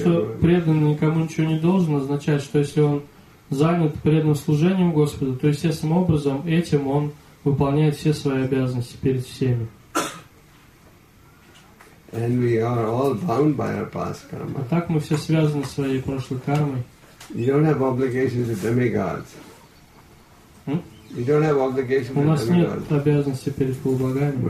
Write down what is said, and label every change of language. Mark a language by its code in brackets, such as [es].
[ru] То, что преданный никому ничего не должен, означает, что если он занят преданным служением Господу, то естественным образом этим он выполняет все свои обязанности перед всеми. [en] And we are all bound by our past karma. [ru] А так мы все связаны своей прошлой кармой. [en] You don't have obligations to demigods. You don't have obligations to demigods. [ru] У нас нет обязанности перед полубогами.